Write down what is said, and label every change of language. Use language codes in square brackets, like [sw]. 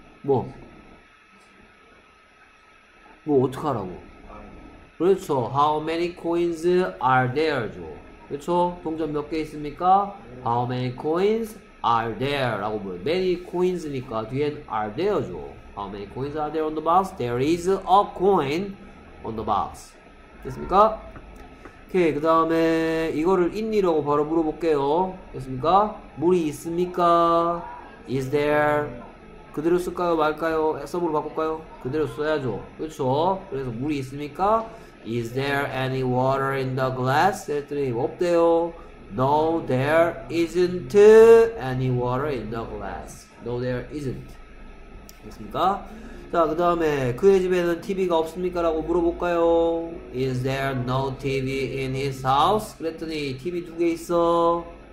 [ko] 뭐 어떡하라고? 그렇죠. [en] How many coins are there죠? [ko] 그렇죠. 동전 몇 개 있습니까? [en] How many coins? Are there [ko] 라고 물어요. Many coins니까 뒤엔 are there죠. [en] How many coins are there on the box? There is a coin on the box. [ko] 됐습니까? 오케이 그 다음에 이거를 있니라고 바로 물어볼게요. 됐습니까? 물이 있습니까? [en] Is there [ko] 그대로 쓸까요 말까요? 서브로 바꿀까요? 그대로 써야죠. 그렇죠? 그래서 물이 있습니까? [en] Is there any water in the glass? [ko] 그랬더니 없대요. [en] No, there isn't any water in the glass. No, there isn't. [ko] 됐습니까? 자, 그 다음에 그의 집에는 TV가 없습니까? 라고 물어볼까요? [en] Is there no TV in his house? [ko] 그랬더니 TV 두 개 있어.